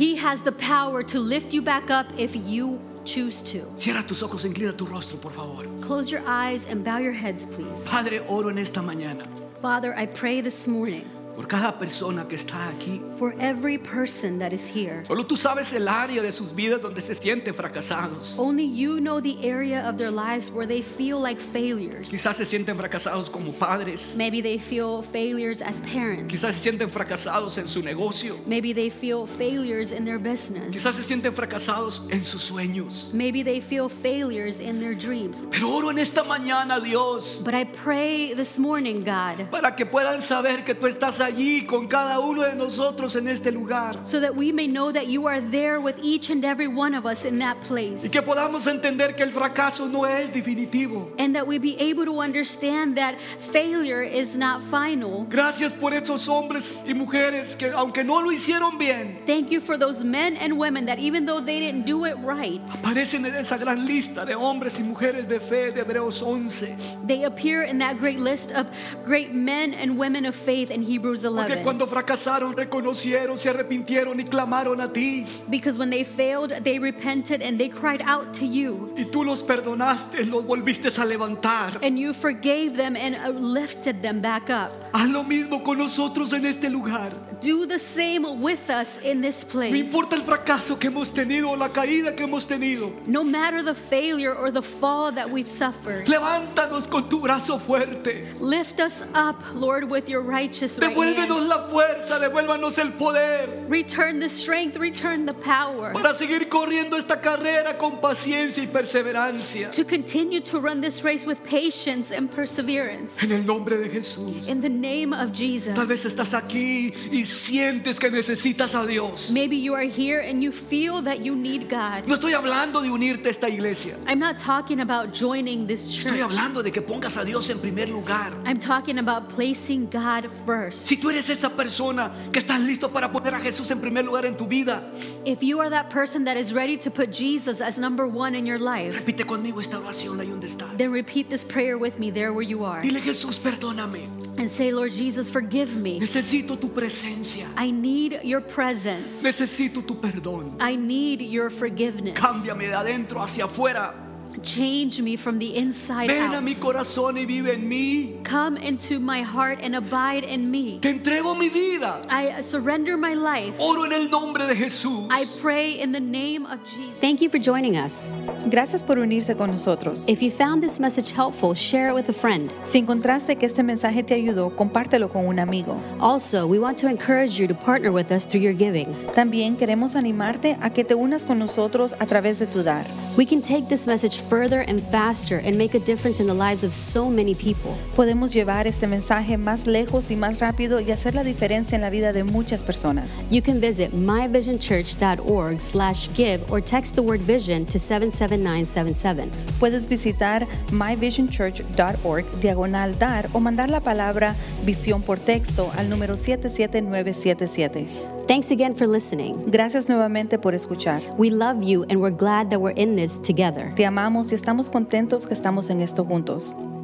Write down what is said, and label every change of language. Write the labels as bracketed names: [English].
[English] He has the power to lift you back up if you choose to. [Spanish] Cierra tus ojos, inclina tu rostro, por favor. [English] Close your eyes and bow your heads, please. [Spanish] Padre, oro en esta mañana. [English] Father, I pray this morning. [Spanish] Por cada persona que está aquí. [English] For every person that is here. [Spanish] Solo tú sabes el área de sus vidas donde se sienten fracasados. [English] Only you know the area of their lives where they feel like failures. [Spanish] Quizás se sienten fracasados como padres. [English] Maybe they feel failures as parents. [Spanish] Quizás se sienten fracasados en su negocio. [English] Maybe they feel failures in their business. [Spanish] Quizás se sienten fracasados en sus sueños. [English] Maybe they feel failures in their dreams. [Spanish] Pero oro en esta mañana, Dios. [English] But I pray this morning, God. [Spanish] Para que puedan saber que tú estás allí con cada uno de nosotros en este lugar. [English] So that we may know that you are there with each and every one of us in that place. [Spanish] Y que podamos entender que el fracaso no es definitivo. [English] And that we be able to understand that failure is not final. [Spanish] Gracias por esos hombres y mujeres que aunque no lo hicieron bien. [English] Thank you for those men and women that even though they didn't do it right. [Spanish] Aparecen en esa gran lista de hombres y mujeres de fe de Hebreos 11. [English] They appear in that great list of great men and women of faith in Hebrews 11. [Spanish] Porque cuando fracasaron, reconocieron, se arrepintieron y clamaron a ti. [English] Because when they failed, they repented and they cried out to you. [Spanish] Y tú los perdonaste, los volviste a levantar. [English] And you forgave them and lifted them back up. [Spanish] Haz lo mismo con nosotros en este lugar. [English] Do the same with us in this place. [Spanish] No importa el fracaso que hemos tenido o la caída que hemos tenido. [English] No matter the failure or the fall that we've suffered. [Spanish] Levántanos con tu brazo fuerte. [English] Lift us up, Lord, with your righteous right hand. [Spanish] Devuélvenos la fuerza, devuélvanos el poder. [English] Return the strength, return the power. [Spanish] Para seguir corriendo esta carrera con paciencia y perseverancia. [English] To continue to run this race with patience and perseverance. [Spanish] En el nombre de Jesús. [English] In the name of Jesus. [Spanish] Tal vez estás aquí y sientes que necesitas a Dios. [English] Maybe you are here and you feel that you need God. [Spanish] No estoy hablando de unirte a esta iglesia. [English] I'm not talking about joining this church. [Spanish] Estoy hablando de que pongas a Dios en primer lugar. [English] I'm talking about placing God first. [Spanish] Si tú eres esa persona que estás listo para poner a Jesús en primer lugar en tu vida. [English] If you are that person that is ready to put Jesus as number one in your life. [Spanish] Repite conmigo esta oración ahí donde estás. [English] Then repeat this prayer with me there where you are. [Spanish] Dile Jesús, perdóname. [English] And say, Lord Jesus, forgive me. [Spanish] Necesito tu presencia. [English] I need your presence. [Spanish] Necesito tu perdón. [English] I need your forgiveness. [Spanish] Cámbiame de adentro hacia afuera. [English] Change me from the inside [Spanish] Ven [English] out. [Spanish] A mi corazón y vive en mí. [English] Come into my heart and abide in me. [Spanish] Te entrego mi vida. [English] I surrender my life. [Spanish] Oro en el nombre de Jesús. [English] I pray in the name of Jesus. Thank you for joining us. [Spanish] Gracias por unirse con nosotros. [English] If you found this message helpful, share it with a friend. [Spanish] Si encontraste que este mensaje te ayudó, compártelo con un amigo. [English] Also, we want to encourage you to partner with us through your giving. [Spanish] También queremos animarte a que te unas con nosotros a través de tu dar. [English] We can take this message further and faster and make a difference in the lives of so many people. [Spanish] Podemos llevar este mensaje más lejos y más rápido y hacer la diferencia en la vida de muchas personas. [English] You can visit myvisionchurch.org/give or text the word vision to 77977. [Spanish] Puedes visitar myvisionchurch.org/dar o mandar la palabra visión por texto al número 77977. [English] Thanks again for listening. [Spanish] Gracias nuevamente por escuchar. [English] We love you and we're glad that we're in this together. [Spanish] Te amamos y estamos contentos que estamos en esto juntos.